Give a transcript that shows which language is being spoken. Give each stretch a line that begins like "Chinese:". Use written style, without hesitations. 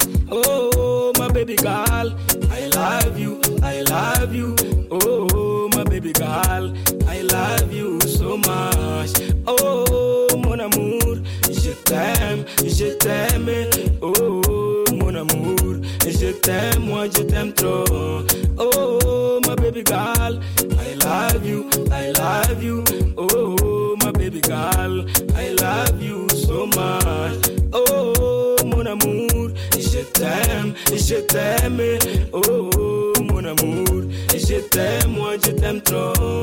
English: Oh, my baby girl, I love you, I love you. Oh, my baby girl, I love you so much.
French: Oh, mon amour, je t'aime, oh, mon amour, je t'aime, moi je t'aime trop.
English: Oh, my baby girl, I love you, I love you. Oh, my baby girl, I love you so much.
French: Oh, mon amour, je t'aime, oh, mon amour, je t'aime, moi je t'aime trop.